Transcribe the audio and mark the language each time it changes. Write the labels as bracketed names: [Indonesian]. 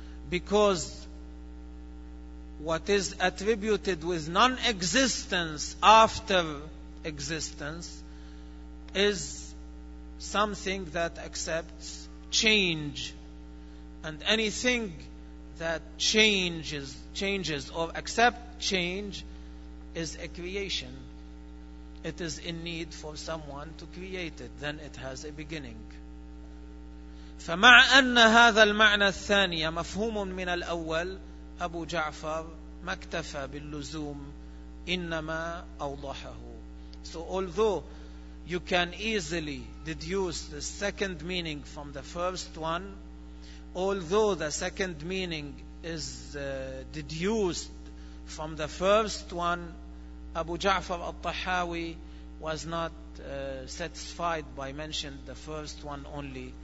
[English] Because what is attributed with non-existence after existence is something that accepts change, and anything that changes or accepts change is a creation. it is in need for someone to create it, then it has a beginning. [Arabic] فمع أن هذا المعنى الثاني مفهوم من الأول أبو جعفر ما اكتفى باللزوم إنما أوضحه. [English] So although you can easily deduce the second meaning from the first one, although the second meaning is deduced from the first one, Abu Ja'far al-Tahawi was not satisfied by mentioning the first one only.